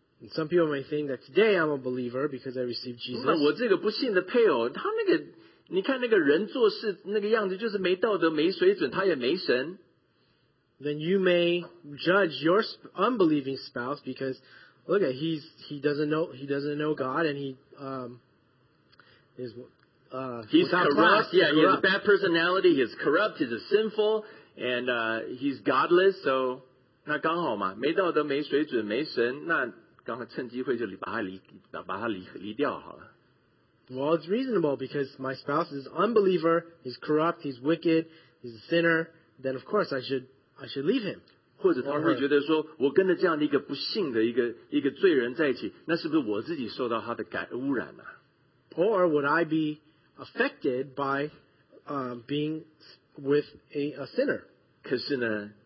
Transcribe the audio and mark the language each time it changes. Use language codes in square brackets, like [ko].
[en] Some people may think that today I'm a believer because I received Jesus. [zh] 那我这个不信的配偶，他那个。你看那个人做事那个样子就是没道德没水准，他也没神。 [en] Then you may judge your unbelieving spouse because look at he doesn't know God and he is he's corrupt. Class, yeah, he has a bad personality. He's corrupt. He's a sinful, and he's godless. So [zh] 那刚好嘛，没道德、没水准、没神。那刚好趁机会就把他离掉好了。 [en] Well, it's reasonable because my spouse is unbeliever. He's corrupt. He's wicked. He's a sinner. Then of course I should leave him. [zh] 或者他会觉得说，我跟着这样的一个不幸的一个罪人在一起，那是不是我自己受到他的污染呢？ [en] Or would I be affected by being with a sinner?